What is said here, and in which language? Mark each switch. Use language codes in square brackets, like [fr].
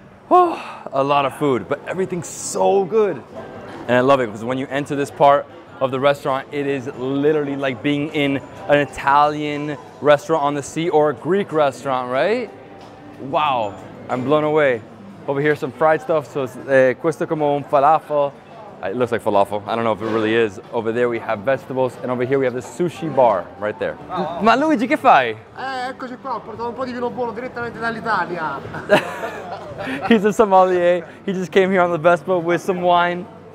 [en] Oh, a lot of food, but everything's so good. And I love it because when you enter this part of the restaurant, it is literally like being in an Italian restaurant on the sea or a Greek restaurant, right? Wow, I'm blown away. Over here, some fried stuff. [it] So questo come un falafel. [en] It looks like falafel. I don't know if it really is. Over there, we have vegetables. And over here, we have the sushi bar right there. [it] Oh. Ma Luigi, che fai? Eccoci qua, ho portato un po' di vino buono direttamente dall'Italia. [en] He's a sommelier. He just came here on the Vespa with some wine.